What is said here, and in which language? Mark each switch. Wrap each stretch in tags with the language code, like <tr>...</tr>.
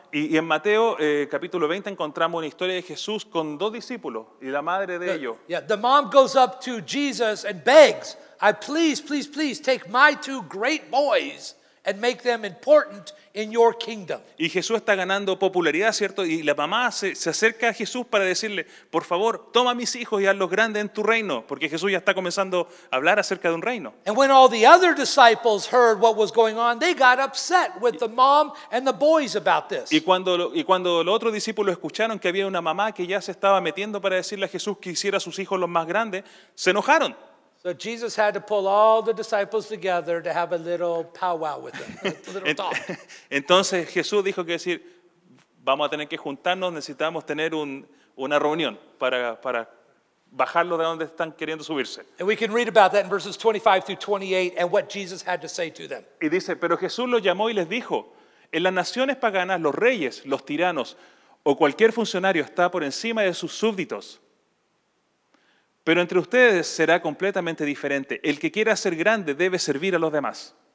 <es>Y en Mateo, capítulo 20, encontramos una historia de Jesús con dos discípulos y la madre de ellos.</es> <en>Yeah, the mom goes up to Jesus and begs, I please, please, please, take my two great boys and make them important in your kingdom.</en> <es>Y Jesús está ganando popularidad, ¿cierto? Y la mamá se acerca a Jesús para decirle, por favor, toma a mis hijos y hazlos grandes en tu reino, porque Jesús ya está comenzando a hablar acerca de un reino.</es> <en>And when all the other disciples heard what was going on, they got upset with the mom and the boys about this.</en> <es>Y cuando los otros discípulos escucharon que había una mamá que ya se estaba metiendo para decirle a Jesús que hiciera a sus hijos los más grandes, se enojaron.</es> <en>So Jesus had to pull all the disciples together to have a little powwow with them, a little talk.</en> <es>Entonces Jesús dijo que decir, vamos a tener que juntarnos, necesitamos tener una reunión para bajarlo de donde están queriendo subirse.</es> <en>And we can read about that in verses 25 through 28 and what Jesus had to say to them.</en> <es>Y dice, pero Jesús los llamó y les dijo, en las naciones paganas los reyes, los tiranos o cualquier funcionario está por encima de sus súbditos. Pero entre ustedes será completamente diferente. El que quiera ser grande debe servir a los demás.</es>